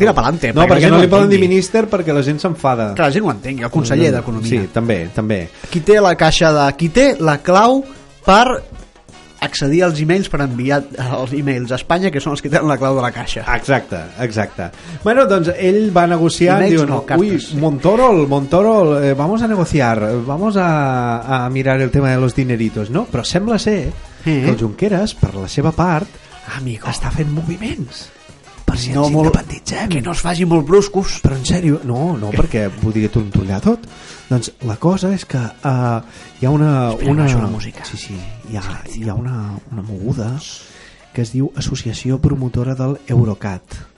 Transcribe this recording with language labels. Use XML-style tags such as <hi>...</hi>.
<es>Tira pelante.</es> <ca>No, perquè no li poden dir minister perquè la gent s'enfada. Que la gent ho entengui, el conseller d'Economia. Sí, també. Qui té la caixa de... Qui té la clau per accedir als emails, per enviar els emails a Espanya, que són els que tenen la clau de la caixa. Exacte. Bueno, doncs ell va negociar, diu, no, cartes, ui, sí.</ca> <es>Montoro, vamos a negociar, vamos a mirar el tema de los dineritos, no?</es> <ca>Però sembla ser que el Junqueras, per la seva part,</ca> <es>amigo,</es> <ca>està fent moviments. Per si no ens molt, independitzem. Que no es faci molt bruscos. Però en sèrio, no, perquè podria tontollar tot. Doncs la cosa és que hi ha una... Espera, una música. Sí, hi ha una moguda que es diu Associació Promotora del Eurocat.</ca>